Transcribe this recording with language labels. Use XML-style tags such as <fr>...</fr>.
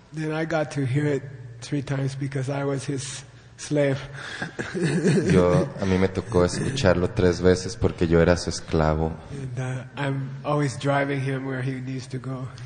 <en>Then I got to hear it 3 times because I was his slave.</en> <es>A mí me tocó escucharlo 3 veces porque yo era su esclavo.</es> <en>And, I'm always driving him where he needs to go.</en>